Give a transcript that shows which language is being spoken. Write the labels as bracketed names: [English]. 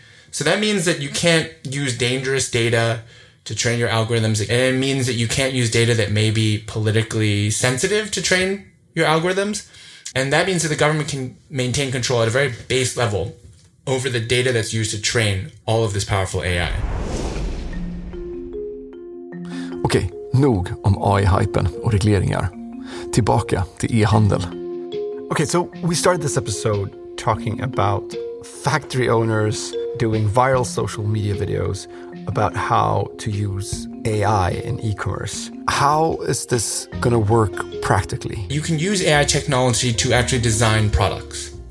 [English] So that means that you can't use dangerous data to train your algorithms. And it means that you can't use data that may be politically sensitive to train your algorithms. And that means that the government can maintain control at a very base level over the data that's used to train all of this powerful AI. Okay. [Swedish] Nog om AI-hypen och regleringar. Tillbaka till e-handel. [English] Okay, so we started this episode talking about factory owners doing viral social media videos about how to use AI in e-commerce. How is this going to work practically? You can use AI technology to actually design products.